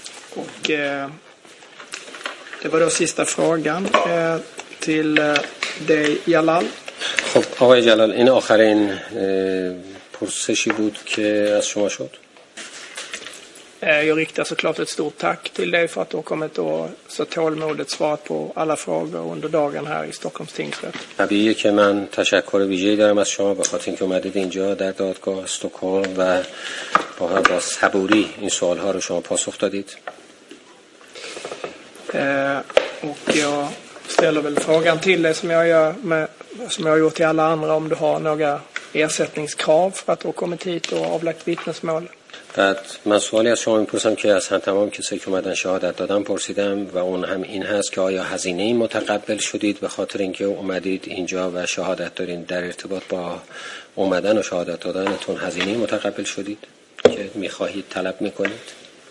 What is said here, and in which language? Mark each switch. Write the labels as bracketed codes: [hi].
[sv] Och det var då sista frågan till dig Jalal. [fa] خب آقای جلال، این آخرین پرسشی بود که از شما شد. [sv] Jag riktar såklart ett stort tack till dig för att du har kommit och så tålmodigt svarat på alla frågor under dagen här i Stockholms tingsrätt. [fa] طبیعیه که من تشکر ویژه‌ای دارم از شما بخاطر اینکه اومدید اینجا در دادگاه استکهلم و با صبوری این سوال‌ها رو شما پاسخ دادید. [sv] Och jag ställer väl frågan till dig som jag gör med, som jag har gjort till alla andra, om du har några ersättningskrav för att du har kommit hit och avlagt vittnesmål. [fa] بعد من سوالی از شما میپرسم که از هم تمام کسایی که اومدن شهادت دادن پرسیدم و اون هم این هست که آیا هزینه‌ای متقبل شدید به خاطر اینکه اومدید اینجا و شهادت دارین، در ارتباط با اومدن و شهادت دادنتون هزینه‌ای متقبل شدید که میخواهید طلب میکنید؟